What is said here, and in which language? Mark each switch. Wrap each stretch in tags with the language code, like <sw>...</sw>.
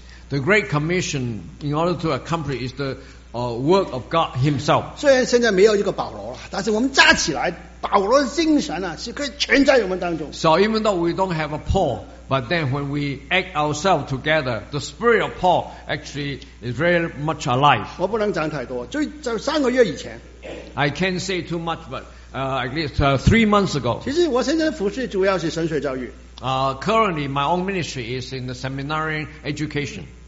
<en>the Great Commission in order to accomplish is the work of God Himself.</en> <zh>虽然现在没有一个保罗,但是我们扎起来,保罗的精神啊,是可以全在我们当中。</zh> <en>So even though we don't have a Paul, but then when we act ourselves together, the spirit of Paul actually is very much alive.</en> <zh>我不能讲太多,就3个月以前,</zh> <en>I can't say too much, but at least 3 months ago.</en> <zh>其实我现在服侍主要是神学教育。</zh> <en>Currently, my own ministry is in the seminary education.</en>